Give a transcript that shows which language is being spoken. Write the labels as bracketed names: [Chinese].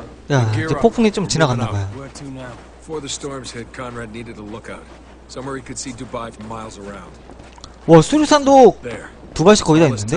[Korean] 야, 이제 폭풍이 좀 지나갔나 봐요. [English] Before the storms hit, Conrad needed a lookout. Somewhere he could see Dubai for miles around. [Korean] 와, 수류탄도 두바이에서 거의 다 있는데?